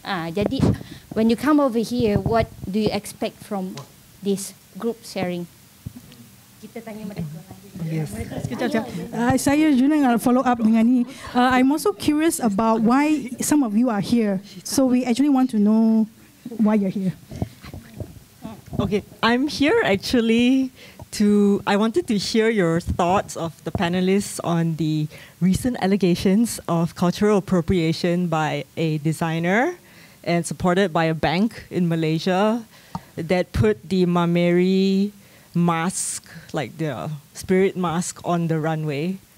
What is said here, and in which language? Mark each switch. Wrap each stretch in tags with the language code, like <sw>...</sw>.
<en>Jadi when you come over here, what do you expect from this group sharing?</en> <ms>Kita tanya mereka.</ms> <en>Yes.</en> <ms>Saya juga nak</ms> <en>follow up</en> <ms>dengan ni.</ms> <en>I'm also curious about why some of you are here. So we actually want to know why you're here. Okay, I'm here actually to, I wanted to hear your thoughts of the panelists on the recent allegations of cultural appropriation by a designer and supported by a bank in Malaysia that put the Mahmeri mask, like the spirit mask on the runway.</en>